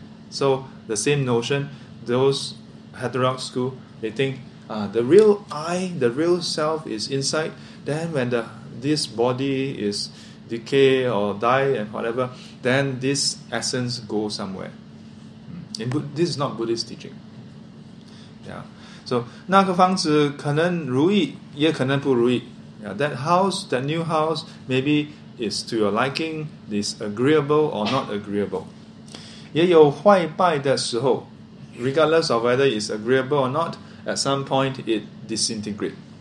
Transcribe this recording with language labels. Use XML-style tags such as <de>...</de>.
<en>So the same notion, those heterodox school, they think the real I, the real self is inside. Then when this body is decay or die and whatever, then this essence goes somewhere. This is not Buddhist teaching. Yeah.</en> <zh>So, 那个房子可能如意,也可能不如意.</zh> <en>Yeah, that house, that new house, maybe is to your liking, is agreeable or not agreeable.</en> <zh>也有坏败的时候,</zh> <en>regardless of whether it's agreeable or not, at some point it disintegrates.</en>